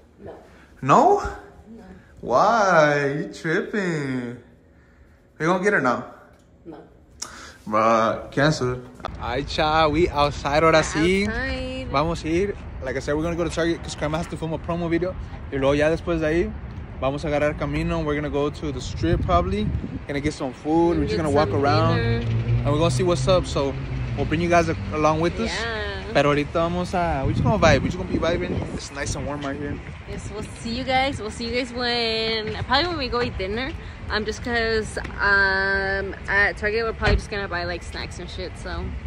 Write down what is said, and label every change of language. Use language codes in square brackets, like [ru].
[en] No. No? No. Why? You tripping. We gonna get it now? No. Bruh, cancel. [es] Ay, cha, [en] we outside, [es] ahora sí. Vamos a ir. [en] Like I said, we're gonna go to Target because Korayma has to film a promo video. [es] Y luego ya después de ahí, vamos a agarrar camino. [en] We're gonna go to the strip probably. Gonna get some food. We're just gonna walk around. And we're gonna see what's up. So we'll bring you guys along with us. Yeah. [es] Pero ahorita vamos a... [en] We're just gonna vibe. We're just gonna be vibing. It's nice and warm right here. Yes, we'll see you guys. We'll see you guys when... Probably when we go eat dinner. Just because at Target, we're probably just gonna buy like snacks and shit, so...